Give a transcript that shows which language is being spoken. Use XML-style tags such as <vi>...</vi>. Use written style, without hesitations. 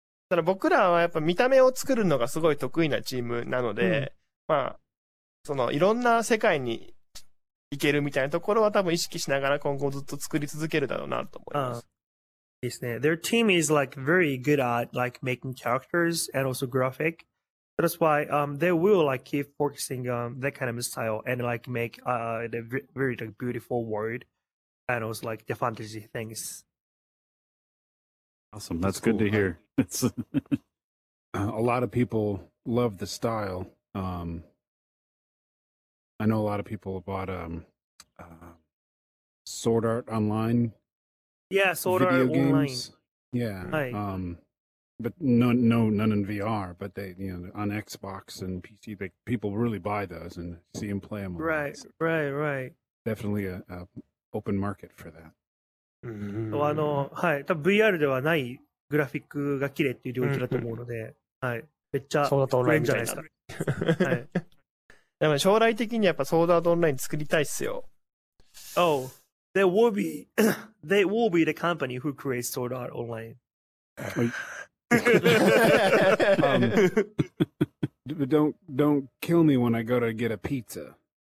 <ja>ただ僕らはやっぱ見た目を作るのがすごい得意なチームなので、うん、まあ、そのいろんな世界に行けるみたいなところは多分意識しながら今後ずっと作り続けるだろうなと思います。ですね。</ja> <en>Their team is like very good at like making characters and also graphic. That's why they will like keep focusing on that kind of style and like make the very like beautiful world and also like the fantasy things. Awesome. That's good cool, to hear. It's a lot of people love the style. I know a lot of people bought Sword Art Online. Yeah, Sword Art Online. Yeah. Hi. But none in VR, but they, you know, on Xbox and PC, they, people really buy those and see them play them. Right, so right, right. Definitely a open market for that. Mm-hmm.</en> <ja>あの、はい、多分 VR ではないグラフィックが綺麗っていう領域だと思うので、mm-hmm. はい、めっちゃ Sword Art Online じゃないですか。でも将来的にやっぱソードアートオンライン作りたいっすよ。</ja> <en>Oh, there will be, there will be the company who creates Sword Art Online. don't kill me when I go to get a pizza.</en>